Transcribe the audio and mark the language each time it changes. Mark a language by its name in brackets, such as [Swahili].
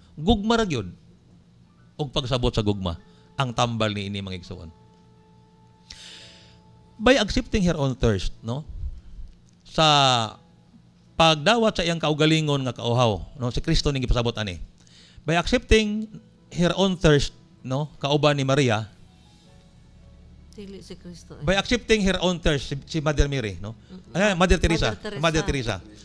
[Cebuano] Gugma ra gyud og pagsabot sa gugma ang tambal niini mga igsoon. [English] By accepting her own thirst, no? [Cebuano] Sa pagdawat sa iyang kaugalingon nga kauhaw, no? Si Kristo ning gipasabot ani. [English] By accepting her own thirst, [Cebuano] no, kauban ni Maria. Dili si Kristo. [English] By accepting her own thirst si Mother Mary, no? Mother Teresa.